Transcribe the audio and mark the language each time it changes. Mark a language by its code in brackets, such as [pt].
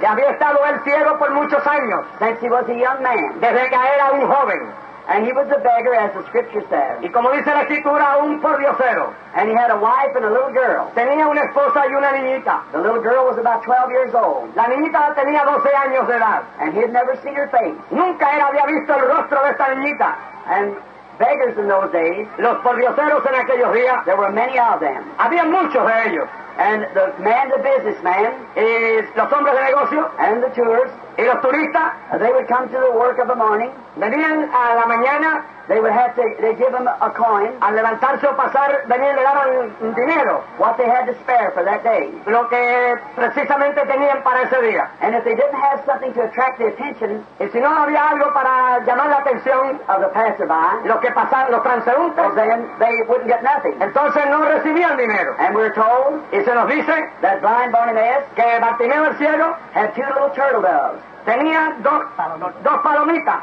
[es] Que había estado el ciego por muchos años. [en] Since he was a young man. [es] Desde que era un joven. [en] And he was a beggar, as the scripture says. [es] Y como dice la escritura, un pordiosero. [en] And he had a wife and a little girl. [es] Tenía una esposa y una niñita. [en] The little girl was about 12 years old. [es] La niñita tenía 12 años de edad. [en] And he had never seen her face. [es] Nunca él había visto el rostro de esta niñita. [en] And beggars in those days. [es] Los pordioseros en aquellos días. [en] There were many of them. [es] Había muchos de ellos. [en] And the man, the businessman, [es] is los hombres de negocio, [en] and the tourists, [es] y los turistas, [en] they would come to the work of the morning, [es] venían a la mañana, [en] they would have to, they give them a coin, [es] al levantarse o pasar, venían le daban un dinero, [en] what they had to spare for that day, [es] lo que precisamente tenían para ese día, [en] and if they didn't have something to attract the attention, [es] y si no había algo para llamar la atención, [en] of the passerby, [es] lo que pasaban los transeúntes, [en] then they wouldn't get nothing, [es] entonces no recibían dinero, [en] and we're told, [es] y se nos dice, [en] that blind Bartimaeus, [es] que Bartimeo el ciego, [en] had two little turtle doves. [es] Tenía dos palomitas.